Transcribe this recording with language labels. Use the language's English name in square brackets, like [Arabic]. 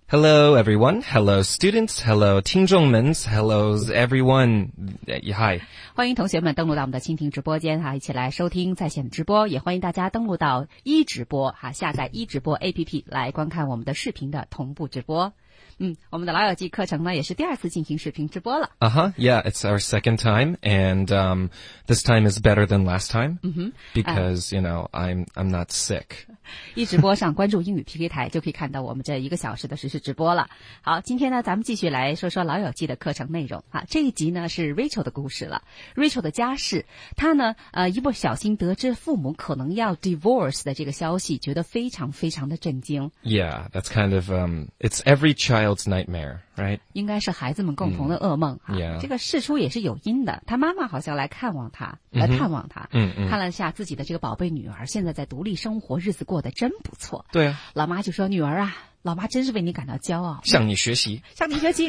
[English] Hello everyone, hello students, hello [Chinese] 听众们, [English] hello everyone, hi. [Chinese] 欢迎同学们登录到我们的蜻蜓直播间，一起来收听在线直播，也欢迎大家登录到一直播，下载一直播 APP 来观看我们的视频的同步直播。嗯，我们的老友记课程呢也是第二次进行视频直播了。 [English] Yeah, it's our second time, and this time is better than last time. Because, you know, I'm not sick. [Chinese] 一直播上关注英语 PK 台就可以看到我们这一个小时的实时直播了。好，今天呢咱们继续来说说老友记的课程内容。这一集呢是 Rachel 的故事了。Rachel 的家事，她呢一不小心得知父母可能要 divorce 的这个消息，觉得非常非常的震惊。 [English] Yeah, that's kind of, it's every child's nightmare, right? [Chinese] 应该是孩子们共同的噩梦。 [English] Yeah. [Chinese] 这个事出也是有因的，他妈妈好像来看望他、 mm-hmm. 来探望他、 mm-hmm. 看了一下自己的这个宝贝女儿现在在独立生活，日子过得真不错。对啊，老妈就说，女儿啊，老妈真是为你感到骄傲，向你学习，向你学习。